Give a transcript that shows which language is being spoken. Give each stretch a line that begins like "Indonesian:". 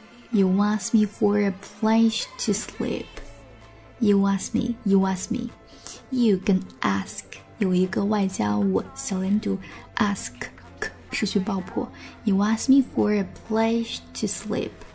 English: You asked me for a place to sleep. You asked me. You can ask.
Chinese: 有一个外加我小连读 ask 失去爆破。
English: You asked me for a place to sleep.